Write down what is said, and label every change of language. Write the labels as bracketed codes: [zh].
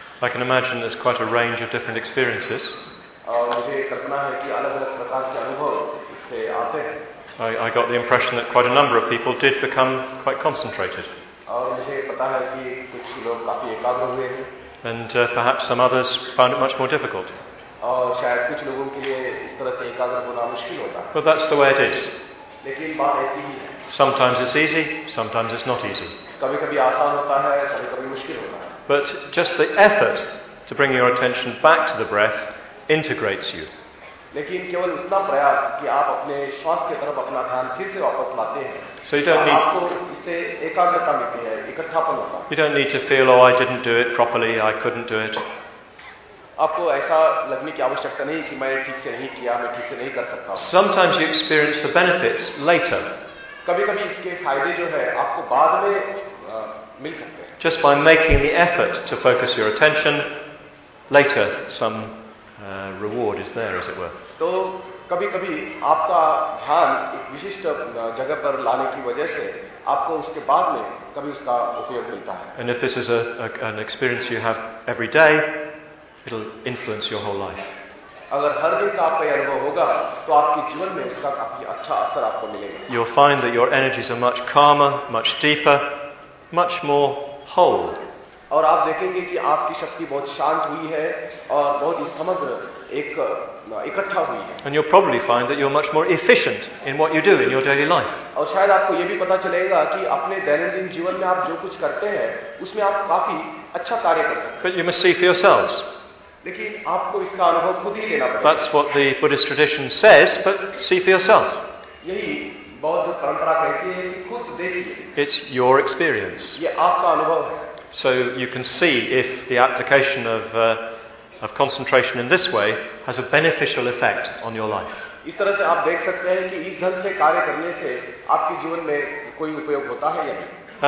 [en] I can imagine there's quite a range of different experiences. [hi] मुझे कल्पना है कि अलग-अलग प्रकार के अनुभव इससे आते हैं. [en] I got the impression that quite a number of people did become quite concentrated. [hi] और मुझे पता है कि कुछ लोग काफी एकाग्र हुए हैं. [en] And perhaps some others found it much more difficult. [hi] और शायद कुछ लोगों के लिए इस तरह से एकाग्र होना मुश्किल होता है. [en] But that's the way it is. [hi] लेकिन बात ऐसी ही है. [en] Sometimes it's easy, sometimes it's not easy. [hi] कभी-कभी आसान होता है, कभी-कभी मुश्किल होता है. [en] But just the effort to bring your attention back to the breath integrates you. [hi] लेकिन केवल उतना प्रयास कि आप अपने श्वास की तरफ अपना ध्यान फिर से वापस लाते हैं. [en] So you don't need, [hi] आपको इससे एकाग्रता मिलती है, इकट्ठापन होता है. [en] You don't need to feel, I didn't do it properly, I couldn't do it. [hi] आपको ऐसा लगने की आवश्यकता नहीं कि मैंने ठीक से नहीं किया, मैं ठीक से नहीं कर सकता. [en] Sometimes you experience the benefits later. [hi] कभी-कभी इसके फायदे जो है आपको बाद में मिल सकते हैं. [en] Just by making the effort to focus your attention, later some reward is there, as it were. [hi] तो कभी-कभी आपका ध्यान एक विशिष्ट जगह पर लाने की वजह से आपको उसके बाद में कभी उसका उपयोग मिलता है. [en] And if this is an experience you have every day, it'll influence your whole life. [hi] अगर हर दिन का आपका अनुभव होगा, तो आपके जीवन में उसका काफी अच्छा असर आपको मिलेगा. [en] You'll find that your energies are much calmer, much deeper, much more whole. [hi] और आप देखेंगे कि आपकी शक्ति बहुत शांत हुई है और बहुत ही समग्र एक इकट्ठा हुई है। [en] And you'll probably find that you're much more efficient in what you do in your daily life. [hi] और शायद आपको ये भी पता चलेगा कि अपने दैनंदिन जीवन में आप जो कुछ करते हैं उसमें आप काफी अच्छा कार्य कर सकते हैं। [en] But you must see for yourselves. [hi] लेकिन आपको इसका अनुभव खुद ही लेना पड़ेगा। [en] That's what the Buddhist tradition says, but see for yourself. [hi] यही बौद्ध परंपरा कहती है कि खुद देखिए। [en] It's your experience. [hi] ये आपका अनुभव है। [en] So you can see if the application of concentration in this way has a beneficial effect on your life. [hi] इस तरह से आप देख सकते हैं कि इस ढंग से कार्य करने से आपके जीवन में कोई उपयोग होता है या नहीं।